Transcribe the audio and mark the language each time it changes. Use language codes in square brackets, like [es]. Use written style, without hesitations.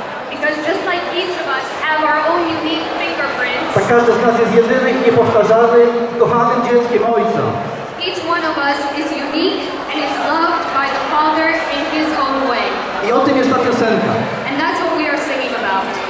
[en] because just like each of us have our own unique fingerprints, [pl] Tak każdy z nas jest jedyny i niepowtarzalny, kochanym dzieckiem Ojca. [en] Each one of us is unique and is loved by the Father in his own way. [pl] I o tym jest ta piosenka. [en] And that's what we are singing about.